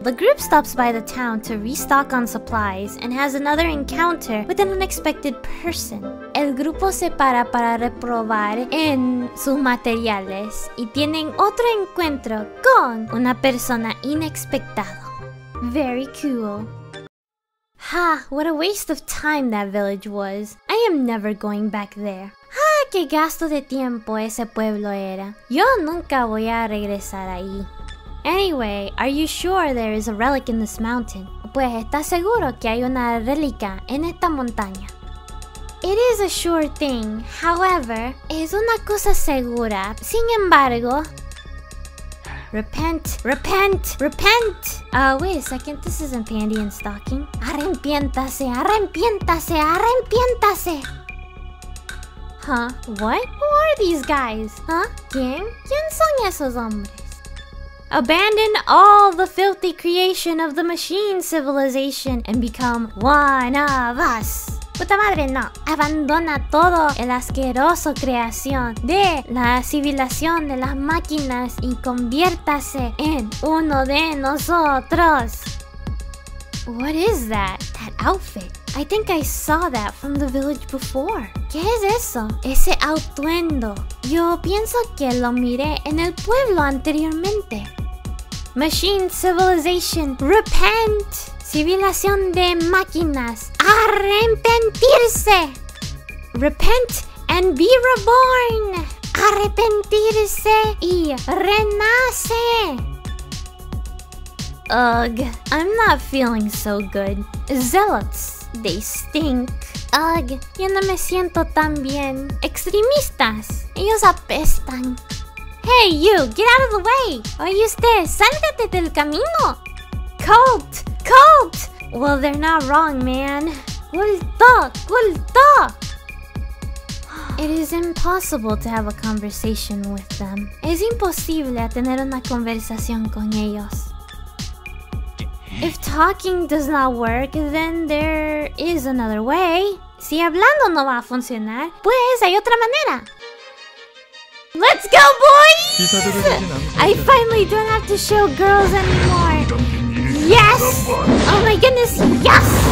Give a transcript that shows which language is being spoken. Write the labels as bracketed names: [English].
[English] The group stops by the town to restock on supplies and has another encounter with an unexpected person. [Spanish] El grupo se para para reprobar en sus materiales y tienen otro encuentro con una persona inexpectado. [English] Very cool. Ha, what a waste of time that village was. I am never going back there. [Spanish] Ha, qué gasto de tiempo ese pueblo era. Yo nunca voy a regresar ahí. [English] Anyway, are you sure there is a relic in this mountain? [Spanish] Pues estás seguro que hay una relica en esta montaña. [English] It is a sure thing. However, [Spanish] es una cosa segura. Sin embargo... [English] Repent! Repent! Repent! Wait a second. This isn't Pandy and Stocking. [Spanish] Arrepiéntase! Arrepiéntase! Arrepiéntase! [English] Huh? What? Who are these guys? Huh? [Spanish] ¿Quién? ¿Quién son esos hombres? [English] Abandon all the filthy creation of the machine civilization and become one of us. [Spanish] Puta madre, no. Abandona todo el asqueroso creación de la civilización de las máquinas y conviértase en uno de nosotros. [English] What is that? That outfit? I think I saw that from the village before. [Spanish] ¿Qué es eso? Ese atuendo. Yo pienso que lo miré en el pueblo anteriormente. [English] Machine civilization, repent! [Spanish] Civilización de máquinas, arrepentirse! [English] Repent and be reborn! [Spanish] Arrepentirse y renace! [English] Ugh, I'm not feeling so good. Zealots, they stink. [Spanish] Ugh, yo no me siento tan bien. Extremistas, ellos apestan. [English] Hey, you! Get out of the way! [Spanish] Oye usted, sáltate del camino! [English] Cult! Cult! Well, they're not wrong, man. [Spanish] Culto! Culto! [English] It is impossible to have a conversation with them. [Spanish] Es imposible tener una conversación con ellos. [English] If talking does not work, then there is another way. [Spanish] Si hablando no va a funcionar, pues hay otra manera. [English] Let's go, boys! I finally don't have to show girls anymore. Yes! Oh my goodness, yes!